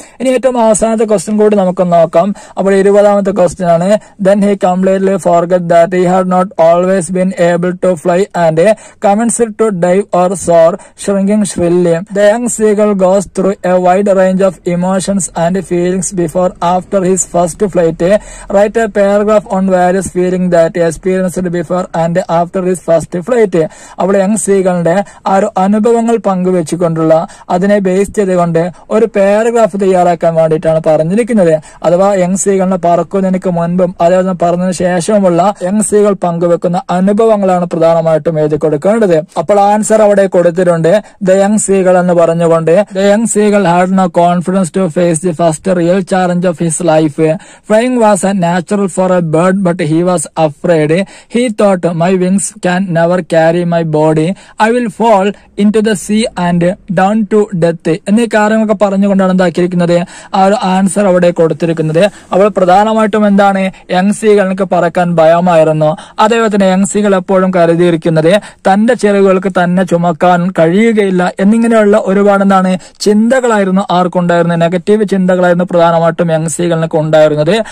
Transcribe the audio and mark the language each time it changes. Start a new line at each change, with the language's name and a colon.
Malayalam: ഇനി ഏറ്റവും അവസാനത്തെ ക്വസ്റ്റ്യൻ കൂടി നമുക്ക് നോക്കാം. അപ്പോൾ 20-ാമത്തെ ക്വസ്റ്റ്യൻ ആണ്,
English: Then he completely forget that he had not always been able to fly and commence to dive or soar shrinking shrilly. The young seagull goes through a wide range of emotions and feelings before after his first flight. Write a paragraph on various feelings that he experienced before and after his first flight.
Malayalam: അവിടെ young സീഗലിന്റെ ആ ഒരു അനുഭവങ്ങൾ പങ്കുവെച്ചുകൊണ്ടുള്ള അതിനെ base ചെയ്തുകൊണ്ട് ഒരു paragraph തയ്യാറാക്കാൻ വേണ്ടിയിട്ടാണ് പറഞ്ഞിരിക്കുന്നത്. അഥവാ യങ് സീഗലിനെ പറക്കുന്നതിനു മുൻപും അതേപോലെ പറഞ്ഞതിനു ശേഷവുമുള്ള യങ് സീഗൾ പങ്കുവെക്കുന്ന അനുഭവങ്ങളാണ് പ്രധാനമായിട്ടും എഴുതി കൊടുക്കേണ്ടത്. അപ്പോൾ ആൻസർ അവിടെ കൊടുത്തിട്ടുണ്ട്. ദ യങ് സീഗൾ എന്ന് പറഞ്ഞുകൊണ്ട്
English: The young seagull had no confidence to face the first real challenge of his life. Flying was a natural for a bird but he was afraid. He thought my wings can never carry my body, I will fall into the sea and down to death.
Malayalam: എന്നീ കാര്യങ്ങളൊക്കെ പറഞ്ഞുകൊണ്ടാണ് എന്താക്കിയിരിക്കുന്നത്, ആ ഒരു answer അവിടെ കൊടുത്തിരിക്കുന്നത്. അവൾ പ്രധാനമായിട്ടും എന്താണ്, യങ് സീഗലിനൊക്കെ പറക്കാൻ ഭയമായിരുന്നു. അതേപോലെ തന്നെ യങ് സീഗൾ എപ്പോഴും കരുതിയിരിക്കുന്നത് തന്റെ ചിറകുകൾക്ക് തന്നെ ചുമക്കാൻ കഴിയുകയില്ല എന്നിങ്ങനെയുള്ള ഒരുപാട് എന്താണ് ചിന്തകളായിരുന്നു ആർക്കുണ്ടായിരുന്നത്, നെഗറ്റീവ് ചിന്തകളായിരുന്നു പ്രധാനമായിട്ടും യങ് സീഗലിനൊക്കെ ഉണ്ടായിരുന്നത്.